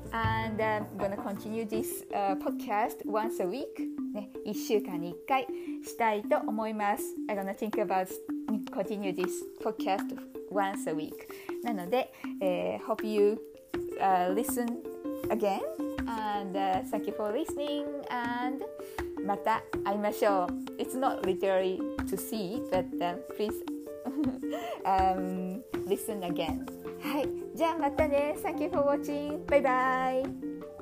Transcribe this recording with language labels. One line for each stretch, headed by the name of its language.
English: And I'm going to continue this podcast once a week.
Japanese: ね、1週間に1回したいと思います。
English: I'm gonna think about continue this podcast once a week.
Japanese: なので、
English: hope you listen again. And thank you for listening. And
Japanese: また会いましょう。
English: It's not literally to see, but please listen again. はい。
Japanese: じゃあまたね。
English: Thank you for watching. Bye bye.